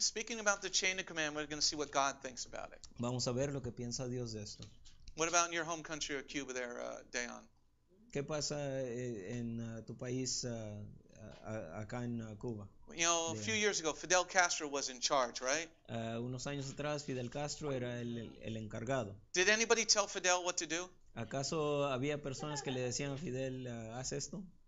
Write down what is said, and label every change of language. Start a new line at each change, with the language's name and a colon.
English: Speaking about the chain of command, we're going to see what God thinks about it.
Spanish: Vamos a ver lo que piensa Dios de esto.
English: What about in your home country of Cuba there, Dayan?
Spanish: ¿Qué pasa en tu país acá en Cuba?
English: You know, a few years ago, Fidel Castro was in charge, right?
Spanish: Unos años atrás, Fidel Castro era el encargado.
English: Did anybody tell Fidel what to do?
Spanish: ¿Acaso había personas que le decían a Fidel, haz esto?